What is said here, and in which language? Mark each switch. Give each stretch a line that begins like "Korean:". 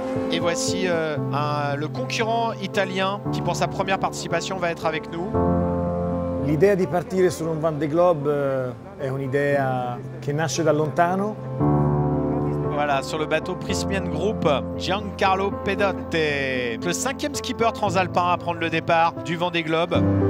French: Et voici le concurrent italien qui, pour sa première participation, va être avec nous.
Italian: L'idea di partire su un Vendée Globe è un'idea che nasce da lontano.
French: Voilà, sur le bateau Prismian Group, Giancarlo Pedotte, le cinquième skipper transalpin à prendre le départ du Vendée Globe.